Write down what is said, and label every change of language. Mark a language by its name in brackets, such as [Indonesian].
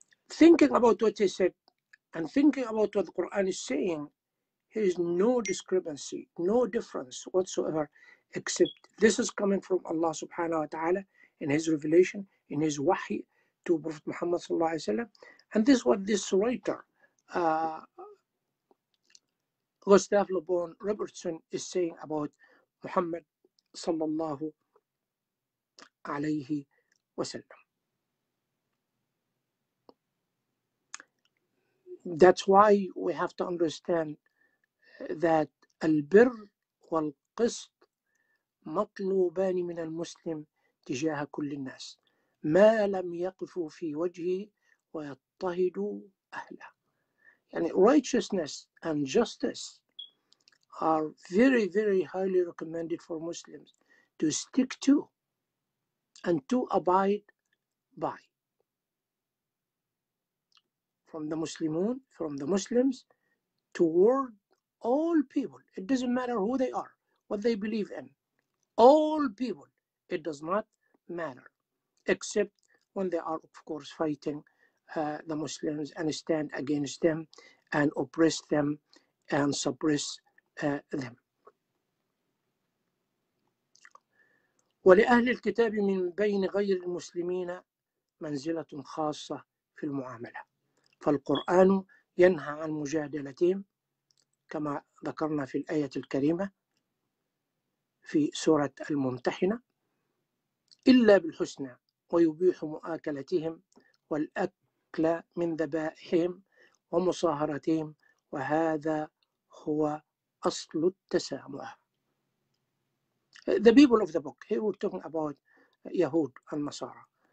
[English] Thinking about what he said and thinking about what the Quran is saying, there is no discrepancy, no difference whatsoever, except this is coming from Allah subhanahu wa ta'ala in his revelation, in his wahi to Prophet Muhammad sallallahu alayhi wa sallam. And this is what this writer, Gustave Le Bon Robertson, is saying about Muhammad sallallahu alayhi [Arabic] وسلم. [English] That's why we have to understand that [Arabic] البر والقسط مطلوبان من المسلم تجاه كل الناس ما لم يقفوا في وجهه ويضطهدوا أهله. [English] يعني righteousness and justice are very very highly recommended for Muslims to stick to and to abide by from the Muslimun, from the Muslims toward all people. It doesn't matter who they are, what they believe in. All people, it does not matter, except when they are, of course, fighting the Muslims and stand against them and oppress them and suppress them. [Arabic] ولأهل الكتاب من بين غير المسلمين منزلة خاصة في المعاملة. فالقرآن ينهى عن مجادلتهم كما ذكرنا في الآية الكريمة في سورة الممتحنة إلا بالحسنى ويبيح مؤاكلتهم والأكل من ذبائحهم ومصاهرتهم وهذا هو أصل التسامح. [English] The people of the book, here we're talking about Yahud and Nasara.